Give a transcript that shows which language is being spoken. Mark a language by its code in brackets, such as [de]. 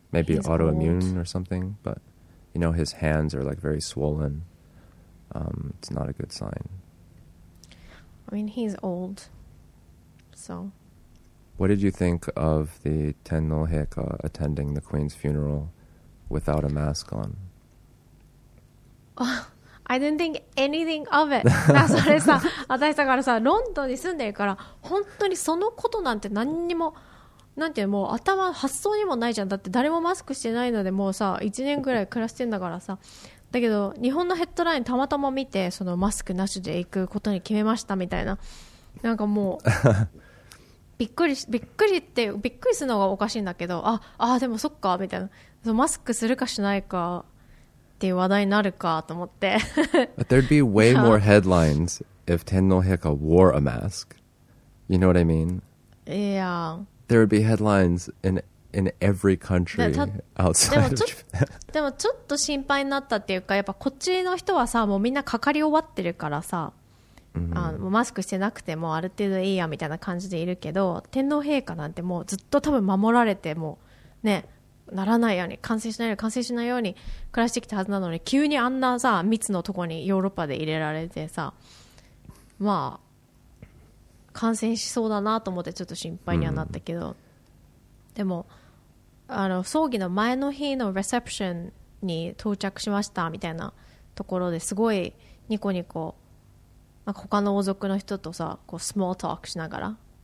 [en] Maybe autoimmune or something, but, you know, his hands are, like, very swollen. It's not a good sign. I mean, he's old, so... What did you think of the Tenno-heika attending the Queen's funeral without a mask on? I didn't think anything of it. [ja] だからそれさ、私だからさ、ロンドンに住んでるから、本当にそのことなんて何にも、なんていうの、もう頭、発想にもないじゃん。だって誰もマスクしてないので、もうさ、1年ぐらい暮らしてんだからさ。だけど、日本のヘッドラインたまたま見て、そのマスクなしで行くことに決めましたみたいな。なんかもう、びっくりって、びっくりするのがおかしいんだけど、あ、でもそっか、みたいな。そのマスクするかしないか。 [en] But there'd be way more headlines if Tenno-heika wore a mask. You know what I mean? Yeah. There would be headlines in every country outside of Japan. [ja] でもちょっと心配になったっていうか、やっぱこっちの人はさ、もうみんなかかり終わってるからさ、もうマスクしてなくてもある程度いいやみたいな感じでいるけど、天皇陛下なんてもうずっと多分守られてもうね。ならないように感染しないように感染しないように暮らしてきたはずなのに急にあんなさ密のとこにヨーロッパで入れられてさまあ感染しそうだなと思ってちょっと心配にはなったけど、でもあの葬儀の前の日のレセプションに到着しましたみたいなところですごいニコニコなんか他の王族の人とさこうスモートークしながら、